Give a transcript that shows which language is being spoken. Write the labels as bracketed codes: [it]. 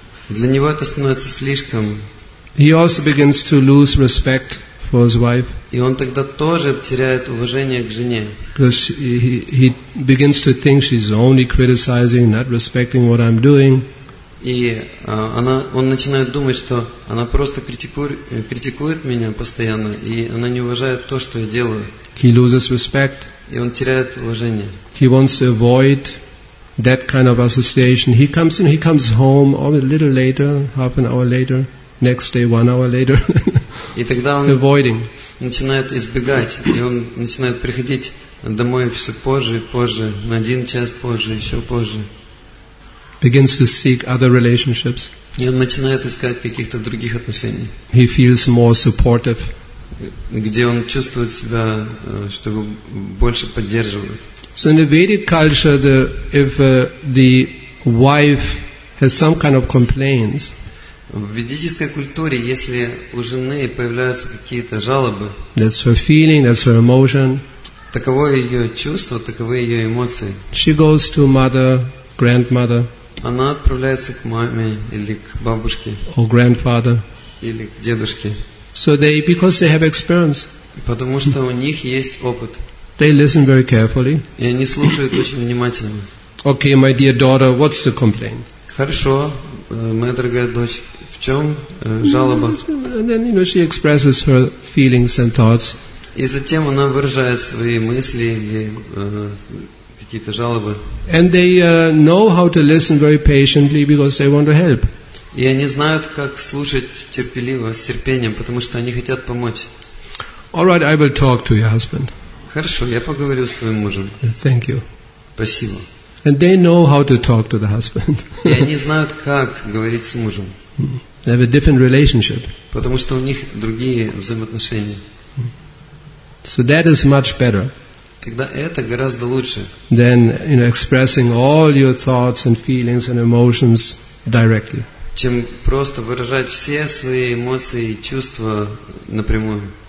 [ru] Для него это становится слишком. [en] He also begins to lose respect for his wife. [ru] И он тогда тоже теряет уважение к жене. [en] Because he begins to think she's only criticizing, not respecting what I'm doing. [ru] И он начинает думать, что она просто критикует меня постоянно, и она не уважает то, что я делаю. [en] He loses respect. [ru] И он теряет уважение. [en] He wants to avoid that kind of association. He comes in, he comes home a little later, half an hour later. Next day, 1 hour later. [ru] И тогда он [en] avoiding. [ru] Начинает избегать, и он начинает приходить домой все позже и позже, на 1 час позже, еще позже. [en] Begins to seek other relationships. [ru] И он начинает искать каких-то других отношений. [en] He feels more supportive. [ru] Где он чувствует себя, что его больше поддерживают. [en] So in the Vedic culture, if the wife has some kind of complaints. [ru] В ведической культуре, если у жены появляются какие-то жалобы, [en] that's her feeling, that's her emotion. [ru] Таково ее чувство, таковы ее эмоции. [en] She goes to mother, grandmother. [ru] Она отправляется к маме или к бабушке. [en] Or grandfather. [ru] Или к дедушке. [en] So because they have experience. [ru] Потому что у них есть опыт. [en] They listen very carefully. [ru] И они слушают очень внимательно. [en] Okay, my dear daughter, what's the complaint? [ru] Хорошо. Моя дорогая дочь, в чем жалоба? [en] And then, you know, she expresses her feelings and thoughts. [ru] И затем она выражает свои мысли или какие-то жалобы. [en] And they know how to listen very patiently because they want to help. [ru] И они знают, как слушать терпеливо, с терпением, потому что они хотят помочь. [en] All right, I will talk to your husband. [ru] Хорошо, я поговорю с твоим мужем. [en] Thank you. [ru] Спасибо. [en] And they know how to talk to the husband. [ru] И они знают, как говорить с мужем. [en] They have a different relationship. [ru] Потому что у них другие взаимоотношения. [en] So that is much better. [ru] Тогда это гораздо лучше. [en] Than, you know, expressing all your thoughts and feelings and emotions directly. [ru] Чем просто выражать все свои эмоции и чувства напрямую.